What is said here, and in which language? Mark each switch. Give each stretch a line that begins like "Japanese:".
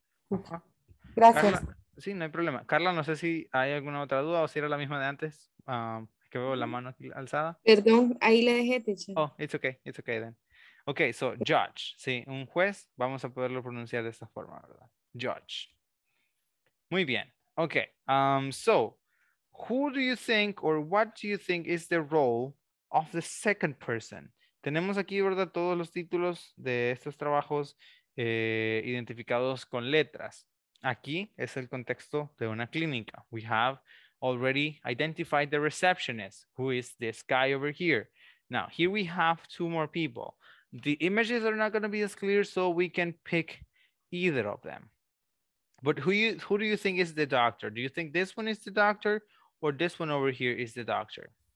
Spanish: Okay. Gracias. Carla, sí, no hay problema. Carla, no sé si hay alguna otra duda o si era la misma de antes. Que veo la mano aquí alzada. Perdón, ahí la dejé, teacher.
English: Oh, it's okay. It's okay then. Okay, so judge.
Spanish: Sí, un juez. Vamos a poderlo pronunciar de esta forma, ¿verdad? Judge. Muy bien.
English: Okay, so who do you think or what do you think is the role of the second person?
Spanish: Tenemos aquí, ¿verdad?, todos los títulos de estos trabajos identificados con letras. Aquí es el contexto de una clínica.
English: We have already identified the receptionist, who is this guy over here. Now, here we have two more people. The images are not going to be as clear, so we can pick either of them. But who do you think is the doctor? Do you think this one is the doctor or this one over here is the doctor?